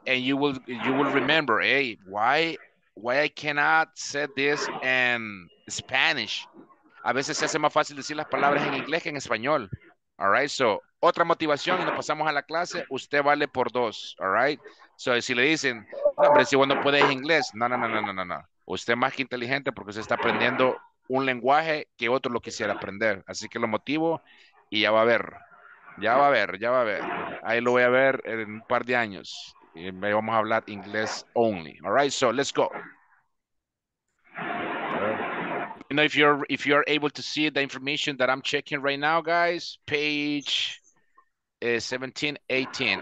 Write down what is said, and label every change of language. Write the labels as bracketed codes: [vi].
[en] And you will remember, hey, why I cannot say this in Spanish? [es] A veces se hace más fácil decir las palabras en inglés que en español, [en] all right? [es] So, otra motivación, y nos pasamos a la clase, usted vale por dos, [en] all right? [es] So, si le dicen, no, hombre, si vos no puedes inglés, no. Usted más que inteligente porque se está aprendiendo un lenguaje que otro lo quisiera aprender. Así que lo motivo y ya va a ver. Ya va a ver. Ahí lo voy a ver en un par de años. Y vamos a hablar inglés [en] only. All right, so let's go. You know, if you're able to see the information that I'm checking right now, guys, page 17, 18.